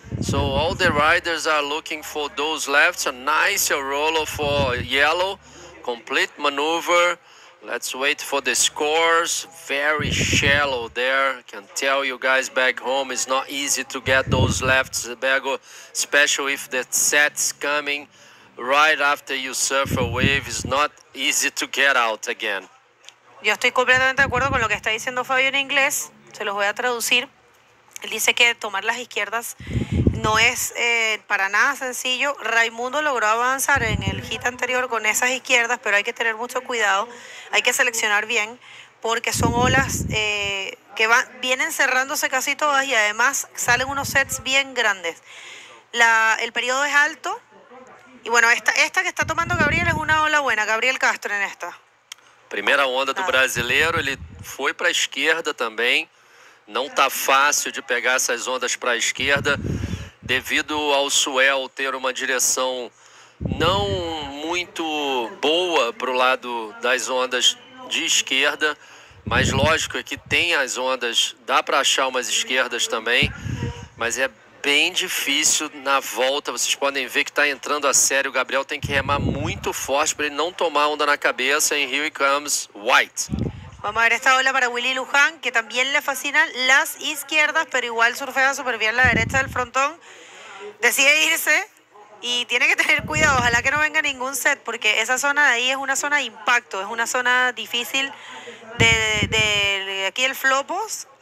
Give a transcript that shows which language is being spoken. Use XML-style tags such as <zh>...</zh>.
<en>So all the riders are looking for those lefts. A nice rollo for yellow, complete maneuver. Let's wait for the scores. Very shallow there. Can tell you guys back home, it's not easy to get those lefts, Bego, especially if the set's coming right after you surf a wave. It's not easy to get out again.</en> <es>Yo estoy completamente de acuerdo con lo que está diciendo Fabio en inglés. Se los voy a traducir. Él dice que tomar las izquierdas no es para nada sencillo. Raimundo logró avanzar en el hit anterior con esas izquierdas, pero hay que tener mucho cuidado, hay que seleccionar bien, porque son olas que vienen cerrándose casi todas y además salen unos sets bien grandes. El periodo es alto, y bueno, esta que está tomando Gabriel es una ola buena, Gabriel Castro en esta.</es> <pt>Primera onda del brasileiro, ele foi para a esquerda también. Não está fácil de pegar essas ondas para a esquerda. devido ao swell ter uma direção não muito boa para o lado das ondas de esquerda, mas lógico é que tem as ondas, dá para achar umas esquerdas também, mas é bem difícil na volta. Vocês podem ver que está entrando a sério. O Gabriel tem que remar muito forte para ele não tomar onda na cabeça.</pt> <en>And here he comes, white.</en> <es>Vamos a ver esta ola para Willy Luján, que también le fascinan las izquierdas, pero igual surfea súper bien la derecha del frontón. Decide irse y tiene que tener cuidado. Ojalá que no venga ningún set, porque esa zona de ahí es una zona de impacto, es una zona difícil de aquí el Flopos.</es>